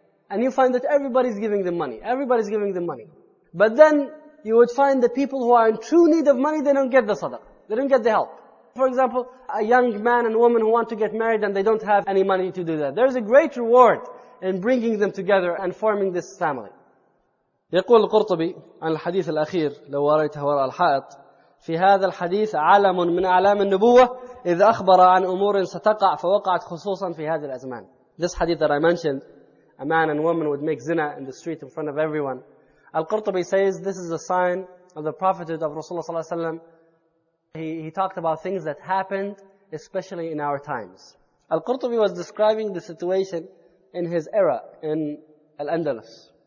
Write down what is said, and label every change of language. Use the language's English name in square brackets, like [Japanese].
[English] And you find that everybody's giving them money. Everybody's giving them money. But then you would find the people who are in true need of money, they don't get the sadaqah. They don't get the help. For example, a young man and woman who want to get married and they don't have any money to do that. There's a great reward in bringing them together and forming this family. [Arabic] يقول القرطبي عن الحديث الأخير لو وريته وراء الحائط في هذا الحديث عالم من أعلام النبوة إذ أخبر عن أمور ستقع فوقعت خصوصا في هذه الأزمان. [English] This hadith that I mentioned, a man and woman would make zina in the street in front of everyone. Al-Qurtubi says this is a sign of the prophethood of Rasulullah ﷺ. He talked about things that happened, especially in our times. Al-Qurtubi was describing the situation in his era in Al-Andalus.